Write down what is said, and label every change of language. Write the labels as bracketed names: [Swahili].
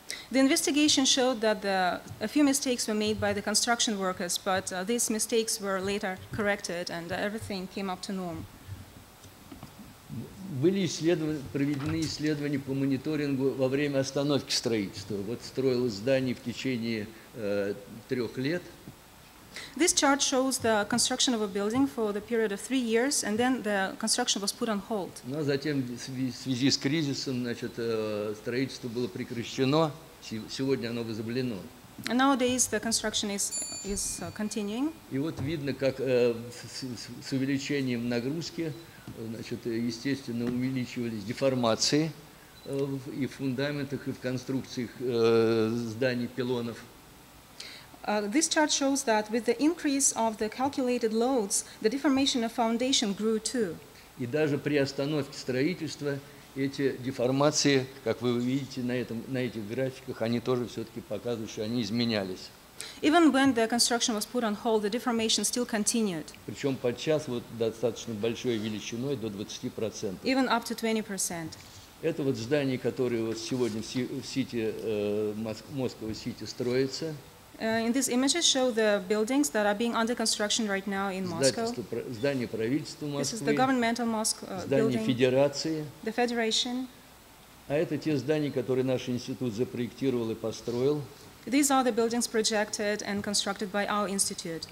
[English] The investigation showed that a few mistakes were made by the construction workers, but these mistakes were later corrected and everything came up to norm. [Russian] Были проведены исследования по мониторингу во время остановки строительства. Вот строилось здание в течение 3 лет. [English] This chart shows the construction of a building for the period of 3 years, and then the construction was put on hold. [Russian] Но затем в связи с кризисом, значит, строительство было прекращено. Сегодня оно возобновлено. [English] Nowadays the construction is continuing. [Russian] И вот видно, как с увеличением нагрузки, значит, естественно, увеличивались деформации и в фундаментах, и в конструкциях зданий, пилонов. [English] This chart shows that with the increase of the calculated loads, the deformation of foundation grew too. [Russian] И даже при остановке строительства эти деформации, как вы видите на этих графиках, они тоже все-таки показывают, что они изменялись. [English] Even when the construction was put on hold, the deformation still continued. [Russian] Причем подчас вот достаточно большой величиной, до 20%. [English] Even up to 20%. [Russian] Это вот здание, которое вот сегодня в Сити, Москва Сити строится. [English] In these images show the buildings that are being under construction right now in Moscow. [Russian] Здание правительства Москвы. [English] This is the governmental mosque building. [Russian] Здание федерации. [English] The federation. [Russian] А это те здания, которые наш институт запроектировал и построил. [English] These are the buildings projected and constructed by our institute.